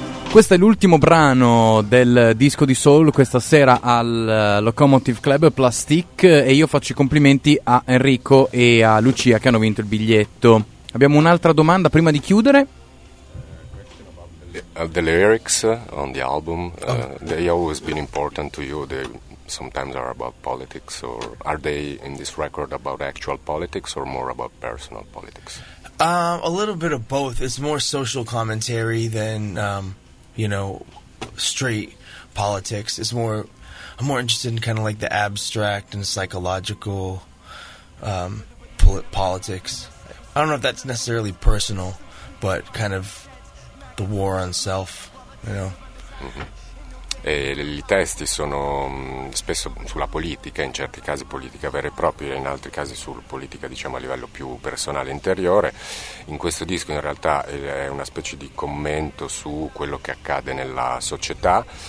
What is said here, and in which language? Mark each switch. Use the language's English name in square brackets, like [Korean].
[Italian] Questo è l'ultimo brano del disco di Soul questa sera al Locomotive Club Plastic, e io faccio i complimenti a Enrico e a Lucia che hanno vinto il biglietto. Abbiamo un'altra domanda prima di chiudere? [English] The lyrics on the album, they always been important to you. They sometimes are about politics, or are they in this record about actual politics or more about personal politics? A little bit of both. It's more social commentary than you know, straight politics. It's more, I'm more interested in kind of like the abstract and psychological politics. I don't know if that's necessarily personal, but kind of the war on self, you know. [Italian] E i testi sono spesso sulla politica, in certi casi politica vera e propria, in altri casi sul politica, diciamo, a livello più personale interiore. In questo disco in realtà è una specie di commento su quello che accade nella società.